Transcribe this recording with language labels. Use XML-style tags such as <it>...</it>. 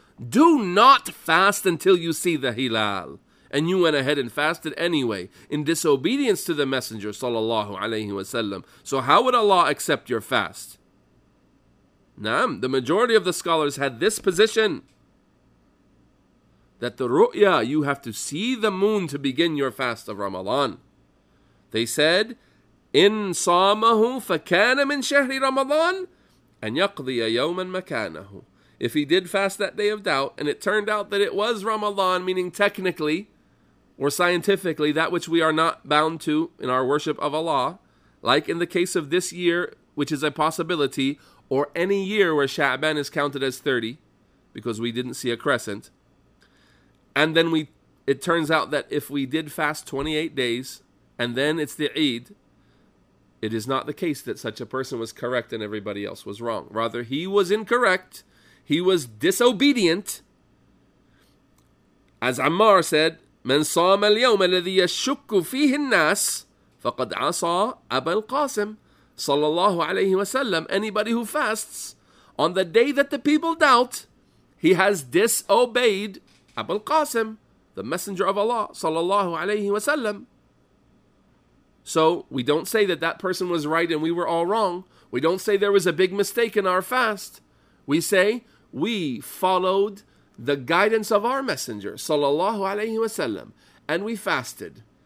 <en>Do not fast until you see the hilal. And you went ahead and fasted anyway, in disobedience to the Messenger sallallahu alaihi wasallam. So how would Allah accept your fast? Naam, the majority of the scholars had this position, that the ru'ya, you have to see the moon to begin your fast of Ramadan. They said,</en> <ar>in صَامَهُ فَكَانَ مِنْ شَهْرِ رَمَضَانِ أَنْ يَقْضِيَ يَوْمًا مَكَانَهُ.</ar> <en>If he did fast that day of doubt, and it turned out that it was Ramadan, meaning technically or scientifically, that which we are not bound to in our worship of Allah, like in the case of this year, which is a possibility, or any year where Sha'ban is counted as 30, because we didn't see a crescent. And then it turns out that if we did fast 28 days, and then it's the Eid, it is not the case that such a person was correct and everybody else was wrong. Rather, he was incorrect. He was disobedient. As Ammar said,</en> <ar>من صام اليوم الذي يشك فيه الناس فقد عصى أبا القاسم صلى الله عليه وسلم.</ar> <en>Anybody who fasts on the day that the people doubt, he has disobeyed Abu al-Qasim, the Messenger of Allah, sallallahu alayhi wa sallam. So we don't say that that person was right and we were all wrong. We don't say there was a big mistake in our fast. We say we followed the guidance of our Messenger, sallallahu alayhi wa sallam, and we fasted.</en>